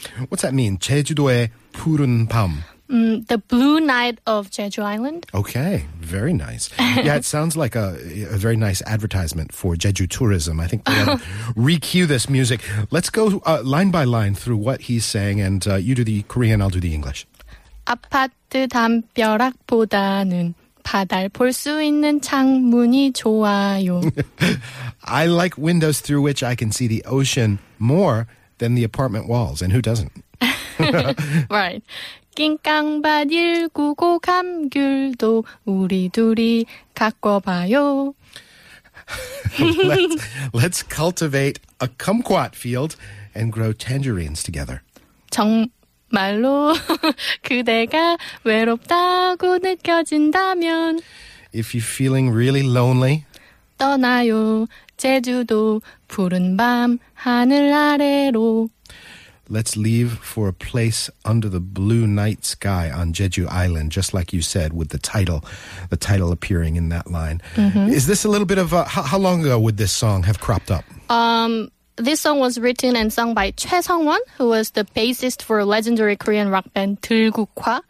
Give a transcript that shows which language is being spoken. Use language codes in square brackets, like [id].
[en] What's that mean? [ko] 제주도의 푸른 밤. [en] The blue night of Jeju Island. Okay, very nice. Yeah, it sounds like a very nice advertisement for Jeju tourism. I think we have to re-cue this music. Let's go line by line through what he's saying, and you do the Korean, I'll do the English. [ko] 아파트 담벼락보다는 바다를 볼 수 있는 창문이 좋아요. [en] I like windows through which I can see the ocean more than the apartment walls, and who doesn't? Right. [ko] 긴깡밭 일구고 감귤도 우리 둘이 갖고 봐요. [en] Let's cultivate a kumquat field and grow tangerines together. [ko] 정말로 그대가 외롭다고 느껴진다면 [en] If you're feeling really lonely [ko] 떠나요 제주도 푸른 밤 하늘 아래로 [en] Let's leave for a place under the blue night sky on Jeju Island, just like you said, with the title appearing in that line. Mm-hmm. Is this a little bit of how long ago would this song have cropped up? This song was written and sung by 최성원, who was the bassist for legendary Korean rock band 들국화.